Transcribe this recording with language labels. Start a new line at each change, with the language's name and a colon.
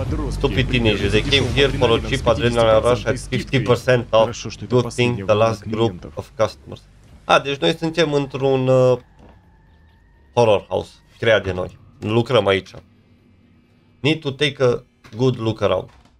English: Stupid teenagers, they came here for a cheap adrenaline rush at 50% off. Good thing the last group of customers.
Romanian: A, deci noi suntem într-un horror house, creat de noi. Lucrăm aici.
English: Need to take a good look around.